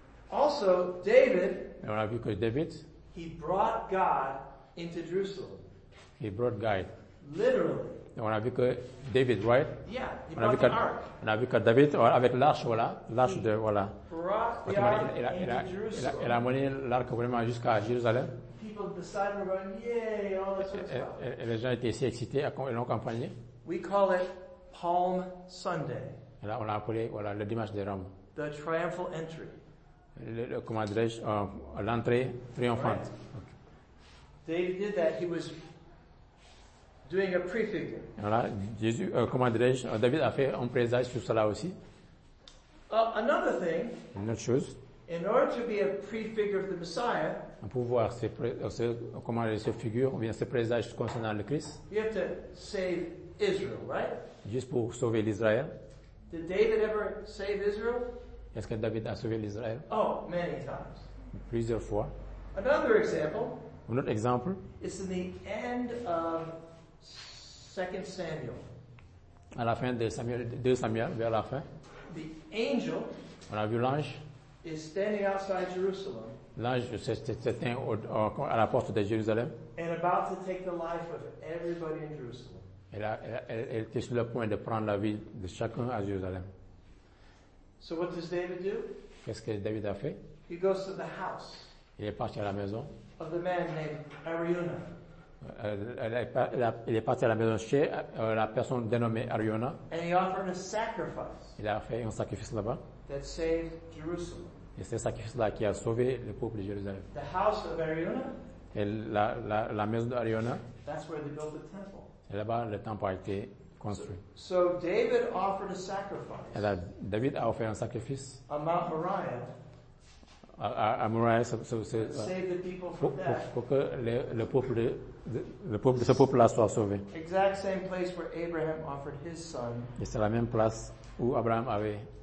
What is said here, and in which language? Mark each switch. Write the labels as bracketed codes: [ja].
[en] Also, David. [fr] Et on a vu que David. [en] He brought God into Jerusalem. He brought God. Literally. [fr] Et on a vu que David, right? [en] Yeah. He brought the ark. [fr] On a vu que David avec l'arche, voilà, l'arche de voilà. Il a amené l'arc vraiment jusqu'à Jérusalem. [en] People at the side were going, yay, all that sort of stuff. [fr] Et les gens étaient si excités, ils l'ont accompagné. [en] We call it Palm Sunday. [fr] Et là, on l'a appelé voilà le dimanche de Rome. [en] The triumphal entry. [fr] Comment dirais-je, l'entrée triomphante. [en] Right. Okay. David did that. He was doing a prefigure. [fr] Voilà, Jésus, comment dirais-je, David a fait un présage sur cela aussi. [en] Another thing, [fr] une autre chose, [en] in order to be a prefigure of the Messiah, [fr] pour voir comment se figure, ou bien ce présage concernant le Christ, [en] you have to save Israel, right? [fr] Juste pour sauver l'Israël. [en] Did David ever save Israel? [fr] Est-ce que David a sauvé l'Israël? [en] Oh, many times. [fr] Plusieurs fois. [en] Another example, [fr] un autre exemple, [en] it's in the end of 2 Samuel. [fr] À la fin de Samuel, 2 Samuel, vers la fin. [en] The angel, [fr] on a vu l'ange, [en] is standing outside Jerusalem. [fr] L'ange s'était à la porte de Jérusalem. [en] And about to take the life of everybody in Jerusalem. [fr] Elle était sur le point de prendre la vie de chacun à Jérusalem. [en] So what does David do? [fr] Qu'est-ce que David a fait? [en] He goes to the house. [fr] Il est parti à la maison. [en] Of the man named Arauna. [fr] Il est parti à la maison chez la personne dénommée Arauna. [en] And he offered a sacrifice. [fr] Il a fait un sacrifice là-bas. [en] That saved Jerusalem. [fr] Et c'est ce sacrifice-là qui a sauvé le peuple de Jérusalem. [en] The house of Arauna. [fr] Et la maison d'Arauna. [en] That's where they built the temple. [fr] Et là-bas, le temple a été construit. [en] So David offered a sacrifice. [fr] Et là, David a offert un sacrifice. [en] On Mount Moriah. [fr] À Moriah, pour que le peuple de ce peuple-là soit sauvé. [en] Exact same place where Abraham offered his son. [fr] Et c'est la même place où Abraham avait.